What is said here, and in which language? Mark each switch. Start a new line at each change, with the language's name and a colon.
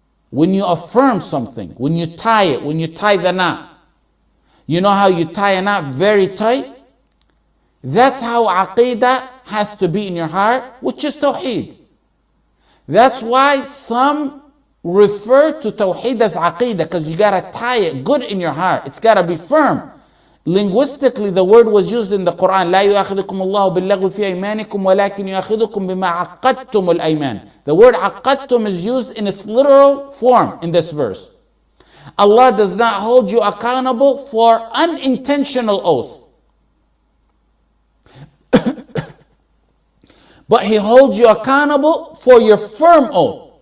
English: When you affirm something, when you tie it, when you tie the knot, you know how you tie a knot very tight? That's how aqeedah has to be in your heart, which is tawheed. That's why some refer to tawheed as aqeedah, because you got to tie it good in your heart. It's got to be firm. Linguistically, the word was used in the Quran,
Arabic: لا يؤاخذكم الله باللغو في أيمانكم ولكن يؤاخذكم بما عقدتم الأيمان.
English: The word عقدتم is used in its literal form in this verse. Allah does not hold you accountable for unintentional oath. But He holds you accountable for your firm oath.